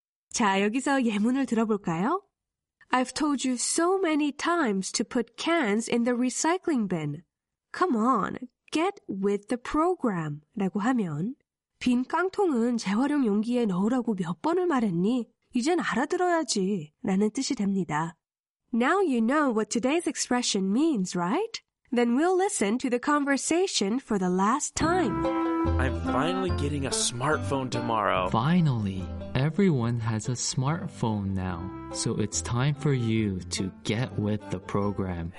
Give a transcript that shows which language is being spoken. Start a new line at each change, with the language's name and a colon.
Korean: 자, 여기서 예문을 들어볼까요?
English: I've told you so many times to put cans in the recycling bin. Come on, get with the program
Korean: 라고 하면 빈 깡통은 재활용 용기에 넣으라고 몇 번을 말했니? 이젠 알아들어야지 라는 뜻이 됩니다.
English: Now you know what today's expression means, right? Then we'll listen to the conversation for the last time. I'm finally getting a smartphone tomorrow. Finally, everyone has a smartphone now. So it's time for you to get with the program.